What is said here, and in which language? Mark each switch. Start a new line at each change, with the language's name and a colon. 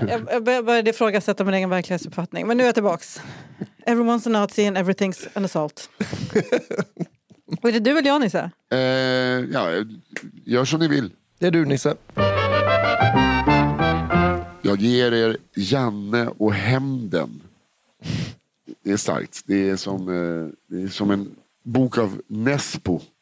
Swedish: jag började ifrågasätta min egen verklighetsuppfattning. Men nu är jag tillbaks.
English: Everyone's a Nazi and everything's an assault.
Swedish: Och är det du eller jag, Nisse? Ja, gör som ni vill. Det är du, Nisse. Jag ger er Janne och hämnden. Det är starkt. Det är som en bok av Nespo.